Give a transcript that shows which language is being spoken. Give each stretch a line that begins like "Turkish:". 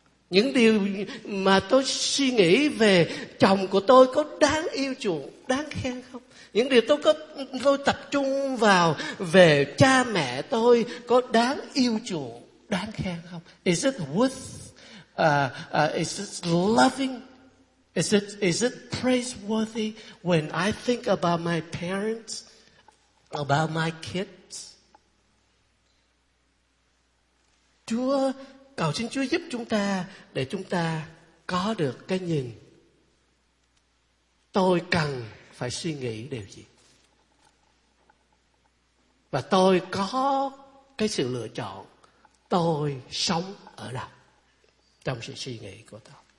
Vietnamese: Những điều mà tôi suy nghĩ về chồng của tôi có đáng yêu chuộng, đáng khen không? Những điều tôi tập trung vào về cha mẹ tôi có đáng yêu chuộng, đáng khen không?
English: Is it worth, is it loving? Is it praiseworthy when I think about my parents, about my kids?
Vietnamese: Chúa, cầu xin Chúa giúp chúng ta để chúng ta có được cái nhìn. Tôi cần phải suy nghĩ điều gì? Và tôi có cái sự lựa chọn, tôi sống ở đâu trong sự suy nghĩ của tôi.